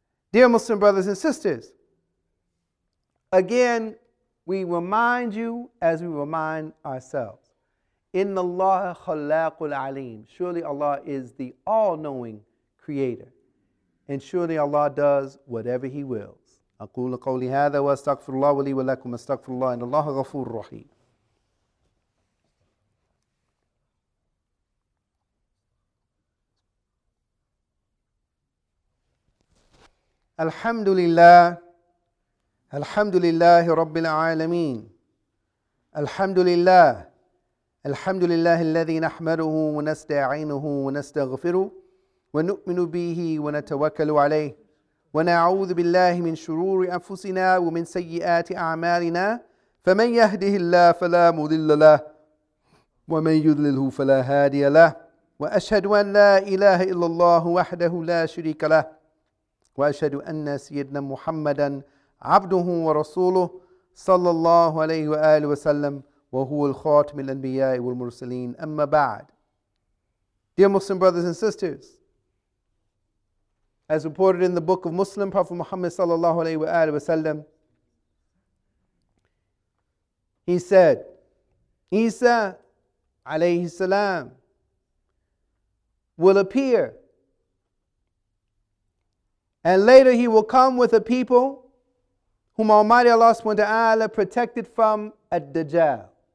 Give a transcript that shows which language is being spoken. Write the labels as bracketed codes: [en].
[en] Dear Muslim brothers and sisters, again, we remind you as we remind ourselves. [ar] Inna Allah khalaqul alim. [en] Surely Allah is the all-knowing creator. And surely Allah does whatever He wills. [ar] أقول قولي هذا وأستغفر الله ولي ولكم أستغفر الله إن الله غفور رحيم. الحمد لله. الحمد لله رب العالمين. الحمد لله. الحمد لله الذي نحمده ونستعينه ونستغفره ونؤمن به ونتوكل عليه ونعوذ بالله من شرور أنفسنا ومن سيئات أعمالنا فمن يهده الله فلا مضل له ومن يضلله فلا هادي له وأشهد أن لا إله إلا الله وحده لا شريك له وأشهد أن سيدنا محمدا عبده ورسوله صلى الله عليه وآله وسلم وهو الخاتم الأنبياء والمرسلين أما بعد. [en] Dear Muslim brothers and sisters, as reported in the Book of Muslim, Prophet Muhammad sallallahu alaihi wasallam, he said, Isa alayhi salam will appear, and later he will come with a people whom Almighty Allah subhanahu wa ta'ala protected from ad-Dajjal.